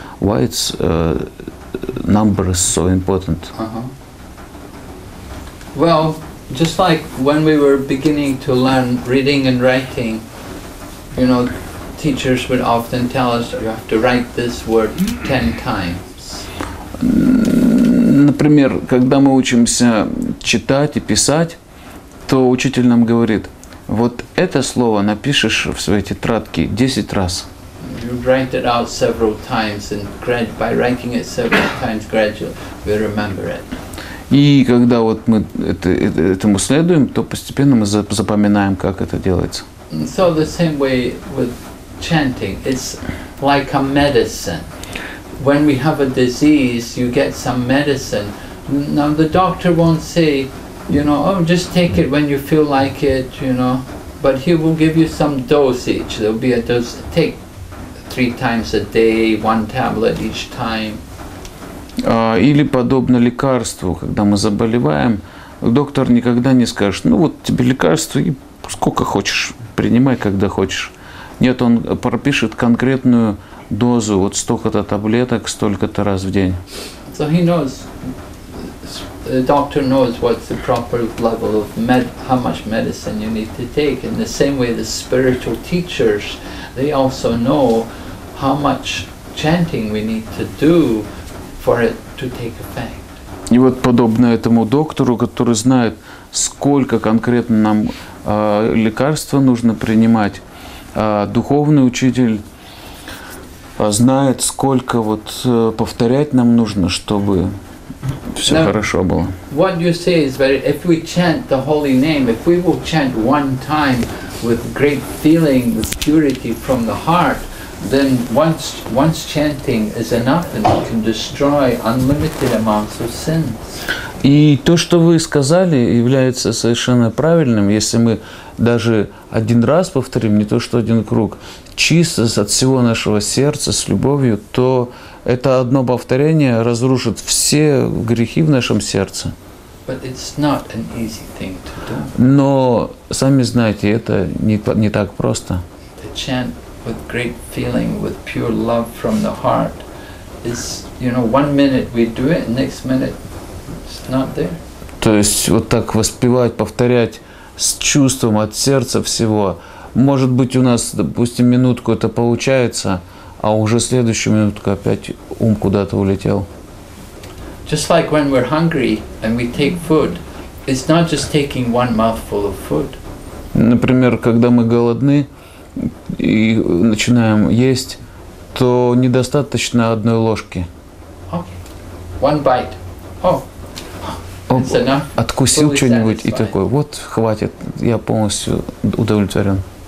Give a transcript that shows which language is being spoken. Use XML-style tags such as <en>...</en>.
<en>Why it's number is so important? Uh-huh. Well, just like when we were beginning to learn reading and writing, you know, teachers would often tell us you have to write this word 10 times.</en> <ru>Например, когда мы учимся читать и писать, то учитель нам говорит: вот это слово напишешь в своей тетрадке 10 раз.</ru> <en>You write it out several times, and by writing it several times gradually, we remember it.</en> <ru>И когда вот мы этому следуем, то постепенно мы запоминаем, как это делается.</ru> <en>So the same way with chanting, it's like a medicine. When we have a disease, you get some medicine. Now the doctor won't say, you know, oh, just take it when you feel like it, you know. But he will give you some dosage. There'll be a dose. Take three times a day, one tablet each time.</en> <ru>Или подобно лекарству, когда мы заболеваем, доктор никогда не скажет, ну вот тебе лекарство и сколько хочешь, принимай, когда хочешь. Нет, он пропишет конкретную дозу, вот столько-то таблеток, столько-то раз в день.</ru> <en>So he knows, the doctor knows what's the proper level of med, how much medicine you need to take. In the same way, the spiritual teachers, they also know how much chanting we need to do for it to take effect.</en> <ru>И вот подобно этому доктору, который знает, сколько конкретно нам лекарства нужно принимать, духовный учитель знает, сколько вот повторять нам нужно, чтобы все</ru> <en>Now,</en> <ru>хорошо было.</ru> <en>What you say is very, if we chant the holy name, if we will chant one time with great feeling, with purity from the heart, then once chanting is enough and it can destroy unlimited amounts of sins.</en> <ru>И то, что вы сказали, является совершенно правильным, если мы даже один раз повторим, не то что один круг, чисто от всего нашего сердца, с любовью, то это одно повторение разрушит все грехи в нашем сердце.</ru> <en>But it's not an easy thing to do.</en> <ru>Но, сами знаете, это не так просто.</ru> <en>To chant with great feeling, with pure love from the heart, is, you know, one minute we do it, next minute</en> <ru>То есть вот так воспевать, повторять с чувством от сердца всего. Может быть, у нас, допустим, минутку это получается, а уже следующую минутку опять ум куда-то улетел.</ru> <en>Just like when we're hungry and we take food, it's not just taking one mouthful of food.</en> <ru>Например, когда мы голодны и начинаем есть, то недостаточно одной ложки.</ru> <en>Okay. One bite. Oh.</en> <ru>Откусил что-нибудь и такой, вот, хватит, я полностью удовлетворен.</ru>